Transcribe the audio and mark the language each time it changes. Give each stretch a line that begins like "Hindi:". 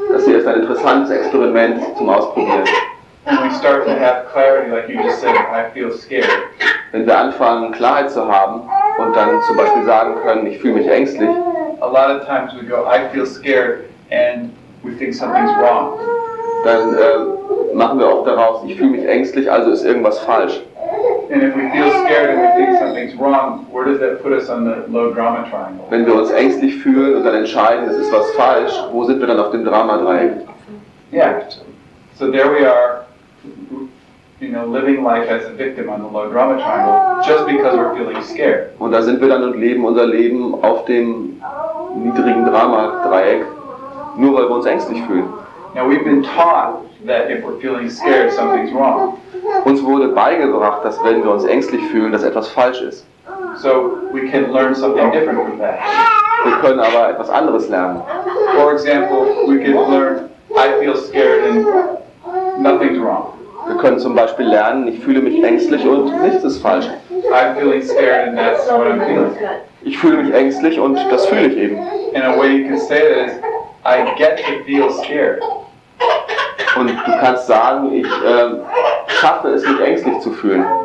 German: Das hier ist ein interessantes Experiment zum Ausprobieren.
English: When we start to have clarity, like you just said, I feel scared.
German: Wenn wir anfangen, Klarheit zu haben und dann zum Beispiel sagen können, ich fühle mich ängstlich.
English: A lot of times we go, I feel scared, and we think something's wrong.
German: Dann machen wir auch daraus, ich fühle mich ängstlich, also ist irgendwas falsch.
English: And if we feel scared and we think something's wrong, where does that put us on the low drama triangle?
German: Wenn wir uns ängstlich fühlen und dann entscheiden, es ist was falsch, wo sind wir dann auf dem Drama-Dreieck?
English: Yeah, so there we are, you know, living life as a victim on the low drama triangle, just because we're feeling scared.
German: Und da sind wir dann und leben unser Leben auf dem niedrigen Drama-Dreieck, nur weil wir uns ängstlich fühlen.
English: Now we've been taught that if we're feeling scared, something's wrong.
German: Uns wurde beigebracht, dass wenn wir uns ängstlich fühlen, dass etwas falsch ist.
English: So we can learn something different from that.
German: Wir können aber etwas anderes lernen.
English: For example, we can learn, I feel scared and nothing's wrong.
German: Wir können zum Beispiel lernen, ich fühle mich ängstlich und nichts ist falsch.
English: I'm feeling scared and that's what I'm feeling.
German: Ich fühle mich ängstlich und das fühle ich eben.
English: In a way you can say that is, I get to feel scared.
German: Und du kannst sagen, ich schaffe es, mich ängstlich zu fühlen.